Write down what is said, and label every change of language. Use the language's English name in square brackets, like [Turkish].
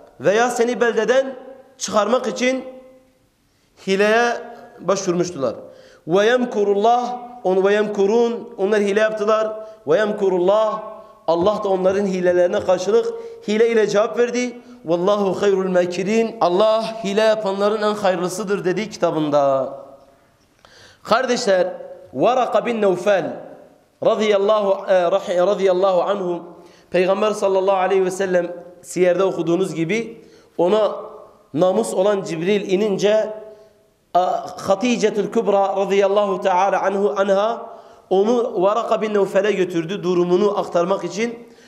[Turkish] Veya seni beldeden çıkarmak için hileye başvurmuştular. [Arabic] وَيَمْكُرُ اللّٰهُ وَيَمْكُرُونَ. [Turkish] Onlar hile yaptılar. [Arabic] وَيَمْكُرُ اللّٰهُ. [Turkish] Allah da onların hilelerine karşılık hile ile cevap verdi. [Arabic] وَاللّٰهُ خَيْرُ الْمَكِرِينَ. [Turkish] Allah hile yapanların en hayırlısıdır dedi kitabında. [Arabic] Kardeşler, وَرَقَ بِنْ نَوْفَلْ رَضِيَ اللّٰهُ عَنْهُمْ. [Turkish] Peygamber sallallahu aleyhi ve sellem siyerde okuduğunuz gibi ona namus olan Cibril inince Hatice'tül Kübra radıyallahu teala anhu anha onu Varaka bin Nevfel'e götürdü durumunu aktarmak için.